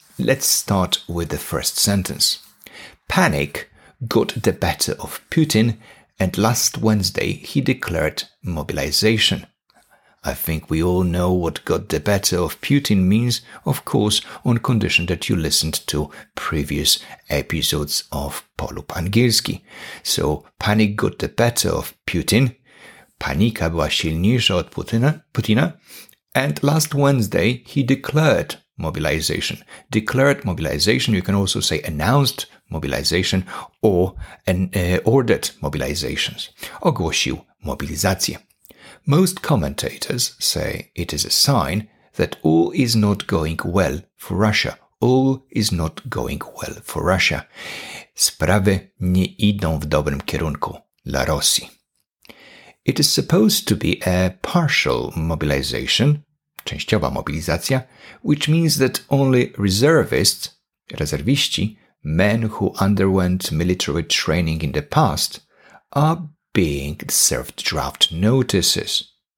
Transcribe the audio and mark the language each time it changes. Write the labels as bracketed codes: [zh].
[en] Let's start with the first sentence. Panic got the better of Putin, and last Wednesday he declared mobilization. I think we all know what got the better of Putin means, of course, on condition that you listened to previous episodes of Polub Angielski. So, panic got the better of Putin. [pl] Panika była silniejsza od Putina, [en] and last Wednesday he declared mobilization. Declared mobilization, you can also say announced mobilization or ordered mobilizations. [pl] Ogłosił mobilizację. [en] Most commentators say it is a sign that all is not going well for Russia. All is not going well for Russia. [pl] Sprawy nie idą w dobrym kierunku dla Rosji. [en] It is supposed to be a partial mobilization, [pl] częściowa mobilizacja, [en] which means that only reservists, rezerwiści, men who underwent military training in the past, are being served draft notices.